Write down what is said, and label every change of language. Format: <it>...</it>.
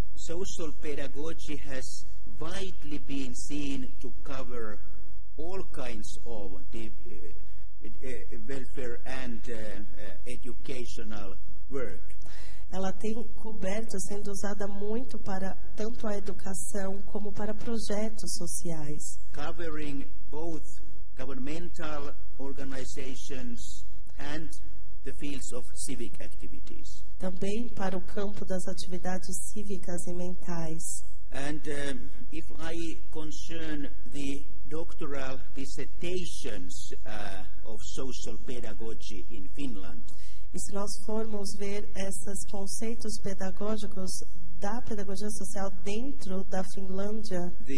<en>social pedagogy has widely been seen to cover all kinds of welfare and educational work.</en> <pt>Ela tem coberto, sendo usada muito para tanto a educação como para projetos sociais.</pt> <en>Covering both governmental organizations and the fields of civic activities.</en> <pt>Também para o campo das atividades cívicas e mentais.</pt> <en>And if I concern the doctoral dissertations of social pedagogy in Finland.</en> <pt>E se nós formos ver esses conceitos pedagógicos da pedagogia social dentro da Finlândia,</pt>